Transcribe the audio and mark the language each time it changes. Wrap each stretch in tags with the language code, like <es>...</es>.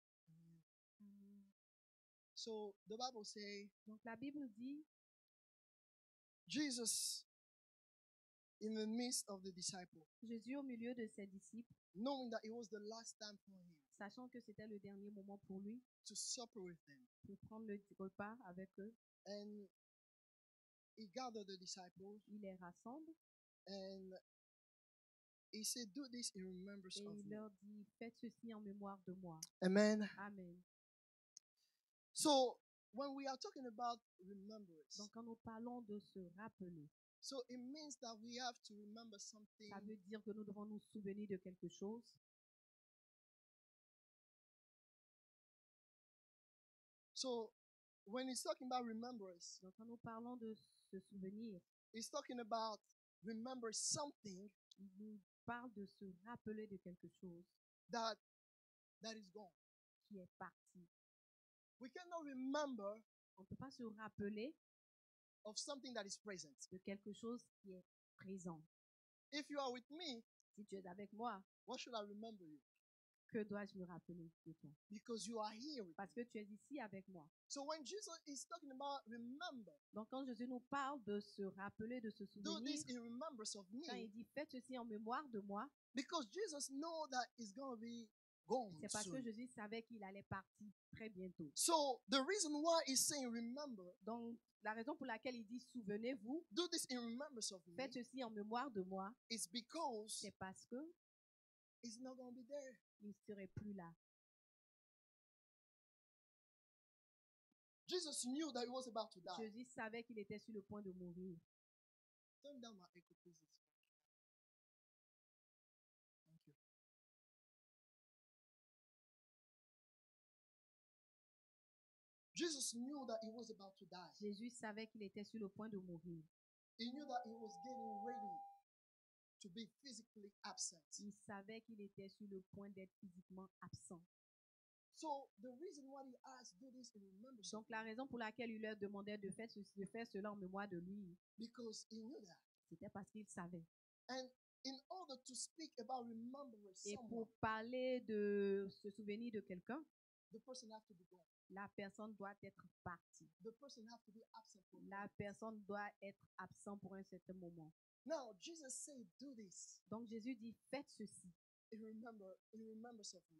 <en>Amen. Amen. So the Bible says,</en> <fr>donc la Bible dit,</fr> <en>Jesus in the midst of the disciples.</en> <fr>Jésus au milieu de ses disciples.</fr> <en>Knowing that it was the last time for him.</en> <fr>Sachant que c'était le dernier moment pour lui.</fr> <en>To supper with them.</en> <fr>Pour prendre le repas avec eux.</fr> <en>And he gathered the disciples.</en> <fr>Il les rassemble.</fr> <en>And he said, "Do this in remembrance of me."</en> <fr>Et il leur dit, faites ceci en mémoire de moi.</fr> <en>Amen. Amen. So when we are talking about remembrance.</en> <fr>Donc quand nous parlons de se rappeler.</fr> <en>So it means that we have to remember something.</en> <fr>Ça veut dire que nous devons nous souvenir de quelque chose.</fr> <en>So when he's talking about remembrance,</en> <fr>donc quand nous parlons de se souvenir,</fr> <en>he's talking about remember something.</en> <fr>Il nous parle de se rappeler de quelque chose.</fr> <en>That is gone.</en> <fr>Qui est parti.</fr> <en>We cannot remember.</en> <fr>On ne peut pas se rappeler.</fr> <en>Of something that is present.</en> <fr>De quelque chose qui est présent.</fr> <en>If you are with me,</en> <fr>si tu es avec moi,</fr> <en>what should I remember you?</en> <fr>Que dois-je me rappeler de toi?</fr> <en>Because you are here.</en> <fr>Parce que tu es ici avec moi.</fr> <en>So when Jesus is talking about remember,</en> <fr>donc quand Jésus nous parle de se rappeler, de se souvenir,</fr> <en>do this in remembrance of me.</en> <fr>Quand il dit faites ceci en mémoire de moi.</fr> <en>Because Jesus know that it's going to be gone.</en> <fr>C'est parce que Jésus savait qu'il allait partir très bientôt.</fr> <en>So the reason why he's saying remember.</en> <fr>Donc la raison pour laquelle il dit souvenez-vous,</fr> <en>do this in remembrance of me,</en> <fr>faites ceci en mémoire de moi,</fr> <en>is because</en> <fr>c'est parce que</fr> <en>it's not gonna be there.</en> <fr>Il ne serait plus là.</fr> <en>Jesus knew that he was about to die.</en> <fr>Jésus savait qu'il était sur le point de mourir.</fr> <en>Turn down my echo, please. Jesus knew that he was about to die.</en> <fr>Jésus savait qu'il était sur le point de mourir.</fr> <en>He knew that he was getting ready to be physically absent.</en> <fr>Il savait qu'il était sur le point d'être physiquement absent.</fr> <en>So the reason why he asked do this in remembrance.</en> <fr>Donc la raison pour laquelle il leur demandait de faire ceci, de faire cela en mémoire de lui.</fr> <en>Because he knew that.</en> <fr>C'était parce qu'il savait.</fr> <en>And in order to speak about remembering someone.</en> <fr>Et pour parler de se souvenir de quelqu'un.</fr> <en>The person has to be gone.</en> <fr>La personne doit être partie.</fr> <en>The person has to be absent for</en> <fr>la personne doit être absent pour un certain moment.</fr> <en>Now, Jesus said, do this.</en> <fr>Donc Jésus dit, faites ceci.</fr> <en>in remembrance of me.</en>